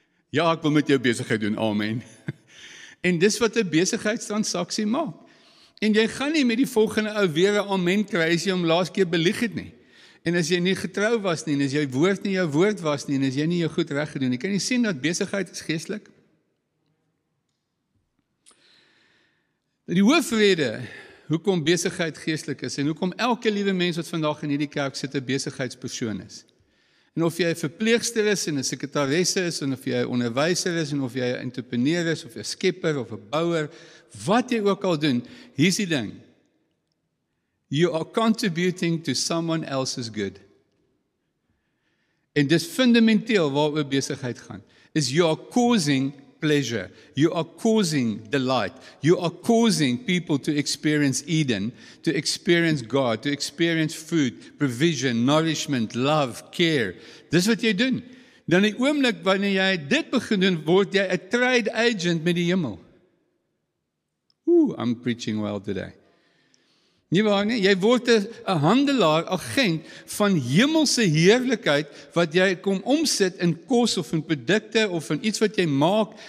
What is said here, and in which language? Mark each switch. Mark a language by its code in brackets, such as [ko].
[af] Ja, ek wil met jou besigheid doen, amen. En dis wat 'n besigheidstransaksie maak. En jy gaan nie met die volgende ou weer 'n amen kry as jy hom laas keer belieg het nie. En as jy nie getrou was nie, en as jou woord nie jou woord was nie, en as jy nie jou goed reg gedoen nie, kan jy sien dat besigheid is geestelik. Die hoofrede, hoekom besigheid geestelik is, en hoekom elke liewe mens wat vandag in hierdie kerk sit, 'n besigheidspersoon is. En of jy 'n verpleegster is, en 'n sekretaresse is, en of jy 'n onderwyser is, en of jy 'n entrepreneur is, of 'n skepper, of 'n bouer, wat jy ook al doen, hier is die ding. [en] You are contributing to someone else's good. [af] En dis fundamenteel waaroor besigheid gaan. [en] Is you are causing pleasure. You are causing delight. You are causing people to experience Eden, to experience God, to experience food, provision, nourishment, love, care. [af] Dis wat jy doen. Dan die oomblik wanneer jy dit begin doen, word jy [en] a trade agent [af] met die hemel. [en] Ooh, I'm preaching well today. [af] Nie waar nie, jy word 'n handelaar, agent van hemelse heerlikheid wat jy kom omsit in kos of in produkte of in iets wat jy maak.